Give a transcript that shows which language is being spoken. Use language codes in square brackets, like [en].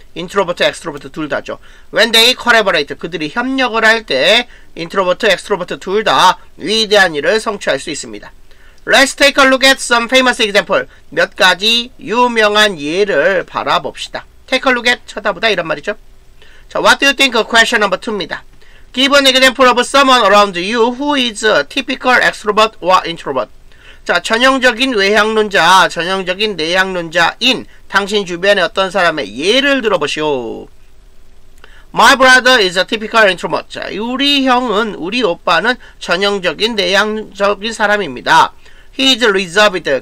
[ko] introvert, extrovert 둘 다죠. [en] when they collaborate, [ko] 그들이 협력을 할 때, introvert, extrovert 둘 다 위대한 일을 성취할 수 있습니다. [en] Let's take a look at some famous example. [ko] 몇 가지 유명한 예를 바라봅시다. [en] Take a look at, [ko] 쳐다보다 이런 말이죠. 자, [en] what do you think of question number 2 [ko] 입니다. [en] Give an example of someone around you who is a typical extrovert or introvert. [ko] 자, 전형적인 외향론자, 전형적인 내향론자인 당신 주변의 어떤 사람의 예를 들어보시오. [en] My brother is a typical introvert. [ko] 자, 우리 형은, 우리 오빠는 전형적인 내향적인 사람입니다. [en] He is reserved.